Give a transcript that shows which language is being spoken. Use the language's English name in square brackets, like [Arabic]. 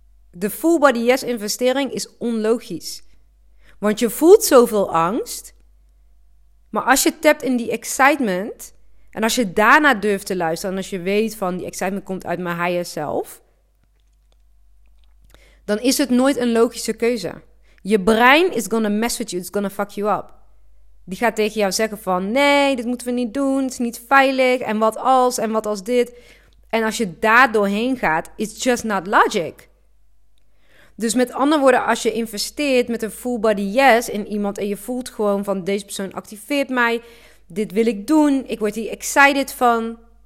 [Dutch] De full body yes investering is onlogisch. Want je voelt zoveel angst, maar als je tapt in die excitement en als je daarna durft te luisteren en als je weet van die excitement komt uit mijn higher self, dan is het nooit een logische keuze. Je brein [English] is gonna mess with you, it's gonna fuck you up. [Dutch] Die gaat tegen jou zeggen van nee, dit moeten we niet doen, het is niet veilig en wat als dit. En als je daar doorheen gaat, [English] it's just not logic. [Dutch] Dus met andere woorden, als je investeert met een full body yes in iemand en je voelt gewoon van deze persoon activeert mij, dit wil ik doen, ik word hier excited van.